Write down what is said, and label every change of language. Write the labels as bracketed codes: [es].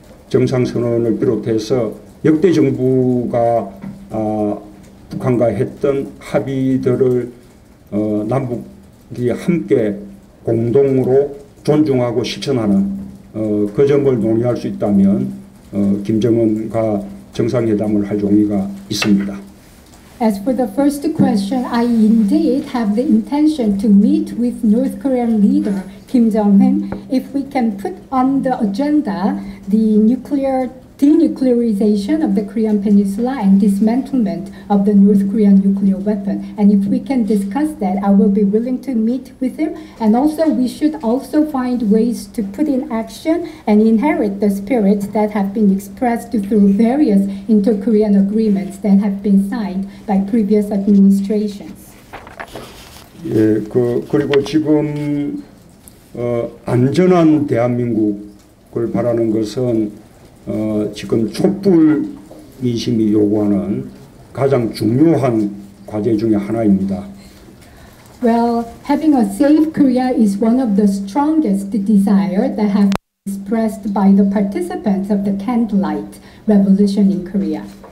[ko] 정상선언을 비롯해서 역대 정부가 북한과 했던 합의들을 남북이 함께 공동으로 존중하고 실천하는 그 점을 논의할 수 있다면 김정은과 정상회담을 할 용의가 있습니다. [en] As for the first question, I indeed have the intention to meet with North Korean leader Kim Jong-un if we can put on the agenda the nuclear denuclearization of the Korean Peninsula and dismantlement of the North Korean nuclear weapon. And if we can discuss that, I will be willing to meet with him. And also, we should also find ways to put in action and inherit the spirit that have been expressed through various inter-Korean agreements that have been signed by previous administrations. [ko] 예, 그리고 지금 안전한 대한민국을 바라는 것은 지금 촛불 민심이 요구하는 가장 중요한 과제 중에 하나입니다. [en] Well, having a safe Korea is one of the strongest desires that have been expressed by the participants of the candlelight revolution in Korea.